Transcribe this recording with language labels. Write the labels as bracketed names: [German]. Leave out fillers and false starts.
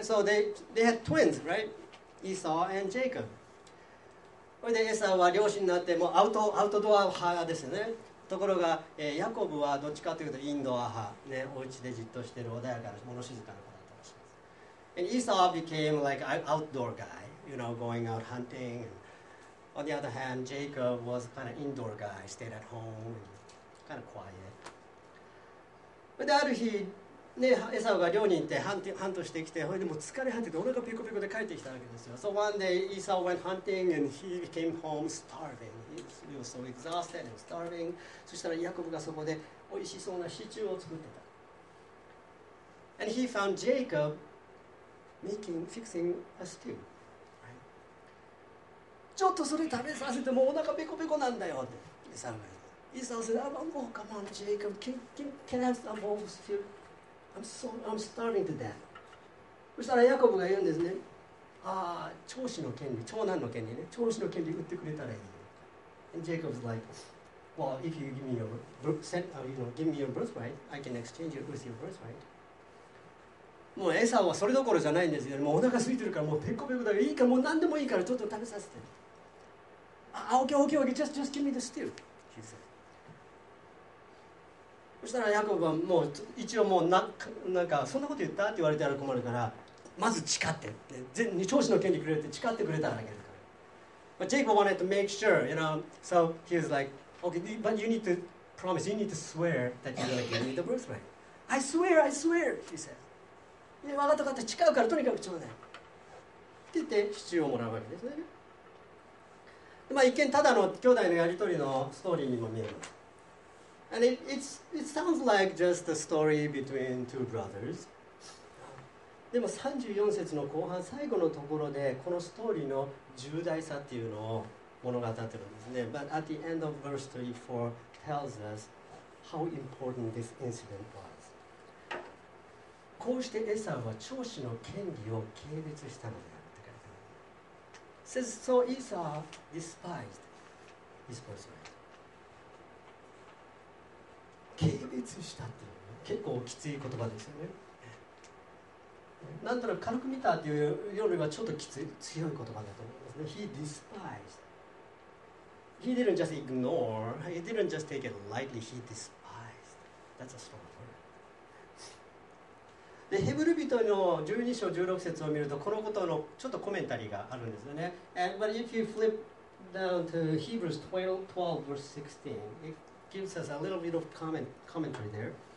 [English] So they had twins, right? Esau and Jacob. [Japanese] それでエサウは漁師になって、もうアウトドア派ですよね。ところが、ヤコブはどっちかというとインドア派、ね、お家でじっとしている穏やかな、物静かな子だったらしいです。 [English] And Esau became like an outdoor guy, you know, going out hunting. And on the other hand, Jacob was kind of indoor guy, stayed at home, kind of quiet. [Japanese] である日、ね、エサウが漁に行ってハントしてきて、それでもう疲れ果ててお腹ペコペコで帰ってきたわけですよ。 [English] So one day, Esau went hunting and he came home starving. He was so exhausted and starving. [Japanese] そしたらヤコブがそこで美味しそうなシチューを作ってた。 [English] And he found Jacob fixing a stew.、Right? [Japanese] ちょっとそれ食べさせて、もうお腹ペコペコなんだよって、エサウが。 [English] Esau said, oh, come on, Jacob, can I have some more stew? I'm starving to death. [Japanese] そしたらヤコブが言うんですね。ああ、長子の権利、長男の権利ね。長子の権利売ってくれたらいい。 [English] And Jacob's like, well, if you give me your birthright, I can exchange it with your birthright. [Japanese] もうエサウはそれどころじゃないんですよ。もうお腹空いてるから、もうペコペコだから、いいか、もう何でもいいから、ちょっと食べさせて。 [English] ああ、OK, just give me the stew, he said. [Japanese] そしたらヤコブはもう一応もうなんかそんなこと言ったって言われたら困るから、まず誓って全に長子の権利くれるって誓ってくれたらあげるから。 [English] But Jacob wanted to make sure, you know, so he was like, okay, but you need to promise, you need to swear that you're going to give me the birthright. I swear, he said. [Japanese] 分かった分かった、誓うからとにかくちょうだいって言って支柱をもらうわけですね。まあ一見ただの兄弟のやり取りのストーリーにも見える。 [English] And it sounds like just a story between two brothers. [Japanese] でも34節の後半、最後のところでこのストーリーの重大さっていうのを物語ってるんですね。 [English] But at the end of verse 34 tells us how important this incident was. [Japanese] こうしてエサウは長子の権利を軽蔑したのであるって書いてある。 [English] It says, so Esau despised his birthright. [Japanese] 軽蔑したっていう、ね、結構きつい言葉ですよね。なんとなく軽く見たっていうよりはちょっときつい強い言葉だと思いますね。 [English] He despised. He didn't just ignore. He didn't just take it lightly. He despised. That's a strong word. [Japanese] でヘブル人の12章16節を見ると、このことのちょっとコメンタリーがあるんですよね。 [English] And, But if you flip down to Hebrews 12 verse 16, gives us a little bit of commentary there.